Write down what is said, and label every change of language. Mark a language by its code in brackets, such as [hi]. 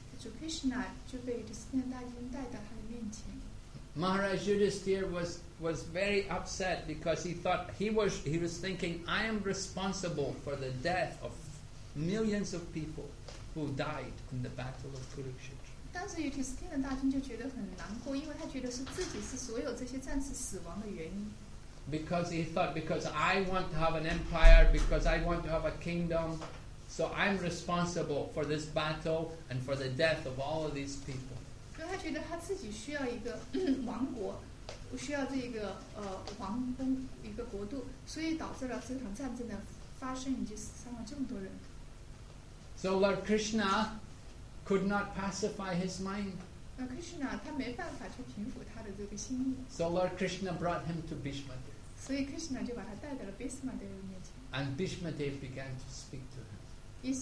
[zh] 主 Krishna 就被这四天大军带到他的面前。 [en] Maharaj Yudhisthira was very upset because he was thinking, I am responsible for the death of millions of people who died in the battle of Kurukshetra. [zh] 当时 Yudhisthira 大军就觉得很难过，因为他觉得是自己是所有这些战士死亡的原因。 [en] Because he thought, because I want to have an empire, because I want to have a kingdom. So I'm responsible for this battle and for the death of all of these people. [zh] 所以他觉得他自己需要一个王国，需要这个王跟一个国度，所以导致了这场战争的发生以及死伤了这么多人。 [en] So Lord Krishna could not pacify his mind. [zh] 那 Krishna 他没办法去平复他的这个心意。 [en] So Lord Krishna brought him to Bhishma Dev. [zh] 所以 Krishna 就把他带到了 Bhishma Dev 面前。 [en] And Bhishma Dev began to speak to him.